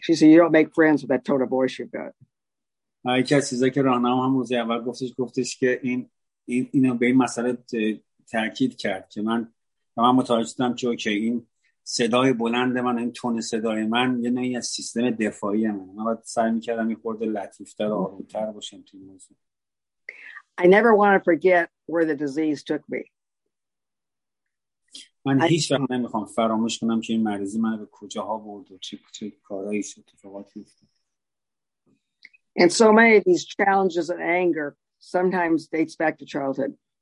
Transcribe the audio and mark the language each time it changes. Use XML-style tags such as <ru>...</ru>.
<en>She said you don't make friends with that tone of voice you've got. I guess is like</en> <fa>Rana هم روز اول گفتش که این اینو به این مسئله تاکید کرد که من متوجه شدم که اوکی این صدای بلند من، این تون صدای من یه نوعی از سیستم دفاعی منه. من باید سعی میکردم یه خورده لطیفتر و آرومتر باشم توی موضوع.</fa> <en>I never want to forget where the disease took me.</en> <fa>من هیچ وقت نمیخوام فراموش کنم که این مریضی من به کجاها برد و چه کارهایی شد اتفاقاتی افتاد.</fa> <en>And so many of these challenges and anger sometimes dates back to childhood.</en>